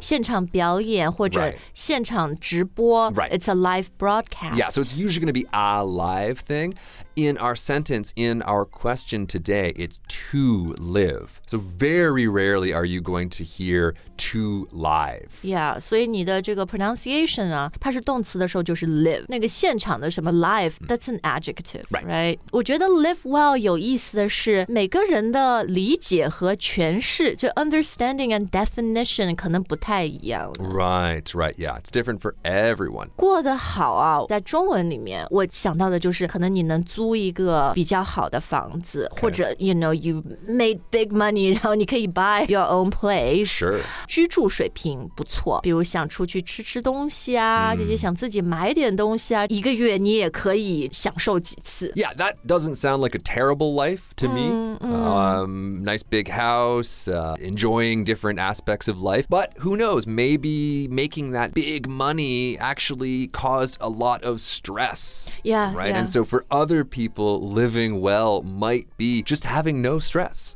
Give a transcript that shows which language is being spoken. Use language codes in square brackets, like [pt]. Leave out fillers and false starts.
[zh] 现场表演或者现场直播。 [en] Right. It's a live broadcast. Yeah, so it's usually going to be a live thing. In our sentence, in our question today, it's to live. So very rarely are you going to hear to live. [zh] Yeah, 所以你的这个 pronunciation 啊，它是动词的时候就是 live. 那个现场的什么 [en] live, that's an adjective, right? [zh] 我觉得 live well 有意思的是每个人的理解和诠释就 [en] understanding and definition [zh] 可能不太一样。 [en] Right, right, yeah. It's different for everyone. [zh] 过得好啊，在中文里面我想到的就是可能你能租一个比较好的房子、 [en] okay. [zh] 或者 [en] you know you made big money [zh] 然后你可以 [en] buy your own place sure [zh] 居住水平不错比如想出去吃吃东西啊、mm. 这些想自己买点东西啊一个月你也可以享受几次 [en] yeah that doesn't sound like a terrible life to me、 mm-hmm. Nice big house enjoying different aspects of life but who knows maybe making that big money actually caused a lot of stress yeah right yeah. and so for other people living well might be just having no stress.